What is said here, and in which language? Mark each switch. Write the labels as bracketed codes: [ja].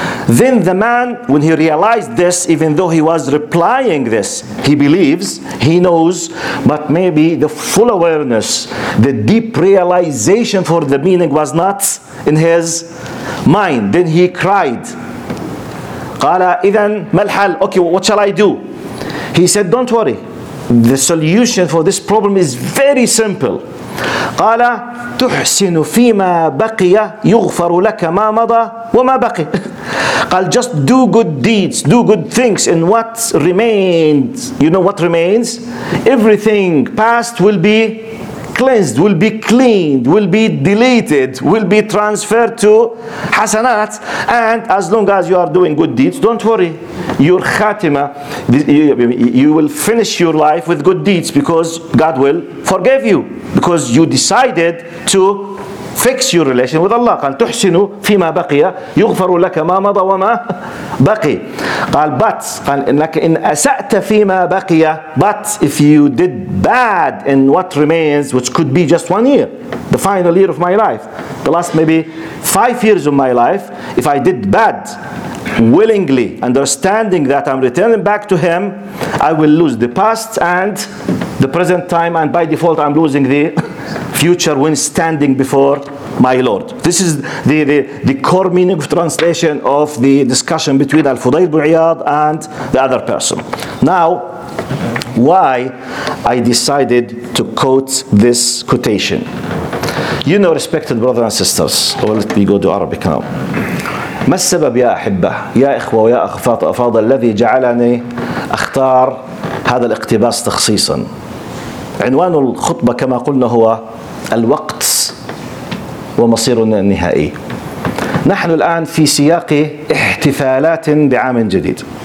[en] Then the man, when he realized this, even though he was replying this, he believes, he knows, but maybe the full awareness, the deep realization for the meaning was not in his mind. Then he cried. [ar] قال إذن ما الحل? [en] Okay, what shall I do? He said, don't worry. The solution for this problem is very simple. [ar] قال تحسن فيما بقي يغفر لك ما مضى وما بقي. [en] قال just do good deeds, do good things in what remains. You know what remains? Everything past will be cleansed, will be cleaned, will be deleted, will be transferred to hasanat. And as long as you are doing good deeds, don't worry, your khatima, you will finish your life with good deeds, because God will forgive you, because you decided to fix your relation with Allah. [ar] قال تحسنوا فيما بقي يغفر لك ما مضى وما بقي. [en] قال but, [ar] قال إنك إن أسأت فيما بقي, [en] but if you did bad in what remains, which could be just 1 year, the final year of my life, the last maybe 5 years of my life, if I did bad willingly, understanding that I'm returning back to him, I will lose the past and the present time, and by default I'm losing the future when standing before my Lord. This is the core meaning of translation of the discussion between Al-Fudayl ibn Iyad and the other person. Now, why I decided to quote this quotation? You know, respected brothers and sisters, well, let me go to Arabic now. [ar] ما السبب يا أحبة يا إخوة ويا أخفاط أفاضل الذي جعلني أختار هذا الاقتباس تخصيصا. عنوان الخطبة كما قلنا هو الوقت ومصيرنا النهائي. نحن الآن في سياق احتفالات بعام جديد.